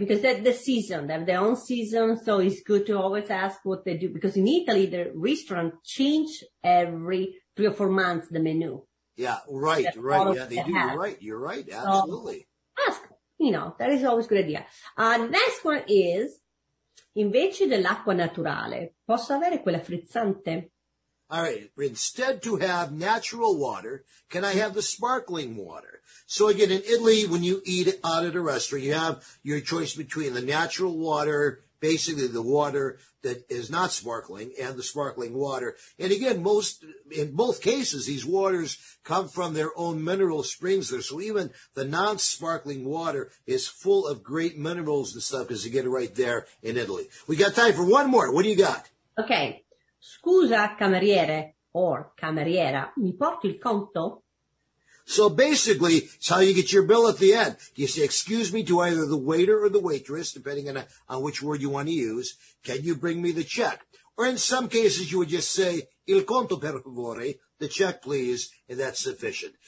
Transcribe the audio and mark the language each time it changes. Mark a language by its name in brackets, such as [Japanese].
[English] Because they're the season, they have their own season. So it's good to always ask what they do. Because in Italy, the restaurant change every 3 or 4 months, the menu. Yeah. Right. That's right. Yeah. They do. You're right. Absolutely. So ask. You know, that is always a good idea. Next one is, [Italian] invece dell'acqua naturale, posso avere quella frizzante? [English] All right. Instead to have natural water, can I have the sparkling water? So again, in Italy, when you eat out at a restaurant, you have your choice between the natural water, basically the water that is not sparkling, and the sparkling water. And again, in both cases, these waters come from their own mineral springs there. So even the non-sparkling water is full of great minerals and stuff because you get it right there in Italy. We got time for one more. What do you got? Okay. [Italian] Scusa, cameriere or cameriera, mi porti il conto? [English] So basically, it's how you get your bill at the end. You say, excuse me, to either the waiter or the waitress, depending on which word you want to use. Can you bring me the check? Or in some cases, you would just say, [Italian] il conto per favore, [English] the check, please, and that's sufficient.